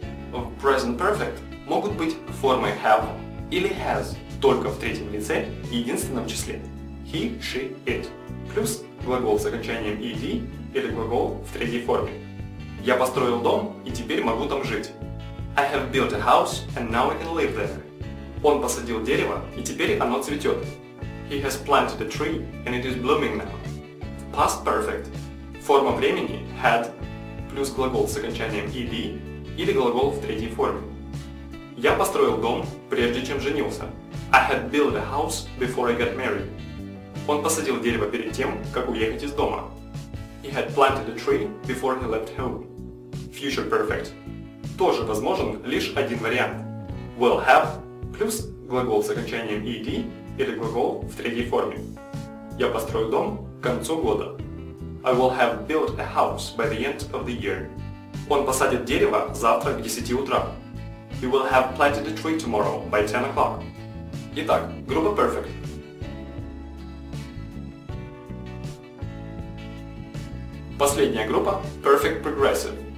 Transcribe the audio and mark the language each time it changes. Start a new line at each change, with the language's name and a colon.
Russian: В present perfect могут быть формой have или has только в третьем лице и единственном числе.
English: He, she, it.
Russian: Плюс глагол с окончанием ed или глагол в третьей форме. Я построил дом и теперь могу там жить.
English: I have built a house and now I can live there.
Russian: Он посадил дерево и теперь оно цветет.
English: He has planted a tree and it is blooming now. Past perfect.
Russian: Форма времени had плюс глагол с окончанием ed или глагол в третьей форме. Я построил дом, прежде чем женился.
English: I had built a house before I got married.
Russian: Он посадил дерево перед тем, как уехать из дома.
English: He had planted a tree before he left home. Future perfect.
Russian: Тоже возможен лишь один вариант. Will have плюс глагол с окончанием ed или глагол в третьей форме. Я построю дом к концу года.
English: I will have built a house by the end of the year.
Russian: Он посадит дерево завтра к 10 утра.
English: He will have planted a tree tomorrow by 10 o'clock.
Russian: Итак, группа Perfect. Последняя группа – Perfect Progressive.